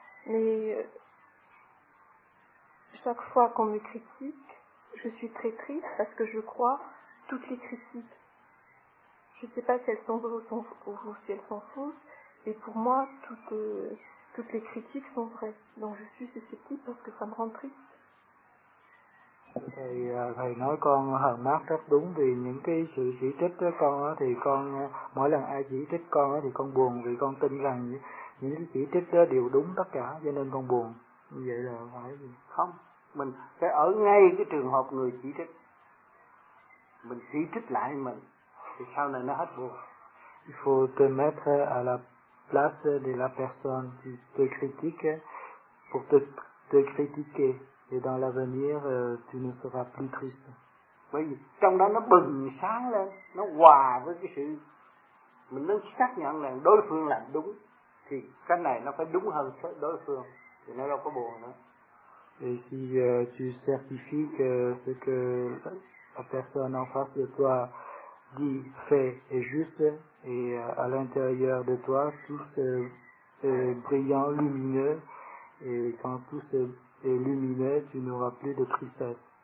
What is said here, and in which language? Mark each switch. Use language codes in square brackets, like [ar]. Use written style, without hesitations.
[fr] Mais chaque fois qu'on me critique, je suis très triste parce que je crois toutes les critiques. Je ne sais pas si elles sont vraies ou si elles sont fausses, et pour moi, toutes les critiques sont vraies. Donc je suis susceptible parce que ça me rend triste. [vi] Thì thầy nói con hờn mát rất đúng vì những cái sự chỉ trích con thì con mỗi lần ai chỉ trích con thì con buồn vì con tin rằng những cái chỉ trích đó đều đúng tất cả cho nên con buồn. Như vậy là phải không, mình phải ở ngay cái trường hợp người chỉ trích, mình chỉ trích lại mình thì sau này nó hết buồn. [fr] Il faut te mettre à la place de la personne qui te critique pour te critiquer. Et dans l'avenir, tu ne seras plus triste. [vi] Oui, trong đó nó bừng sáng lên, nó hòa với cái sự mình nên xác nhận là đối phương làm đúng, thì cái này nó phải đúng hơn đối phương, thì nó đâu có buồn nữa. [fr] Et si tu certifies que ce que la personne en face de toi dit, fait est juste, et à l'intérieur de toi, tout c'est brillant, lumineux, et quand tout c'est et lumineux, tu n'auras plus de tristesse.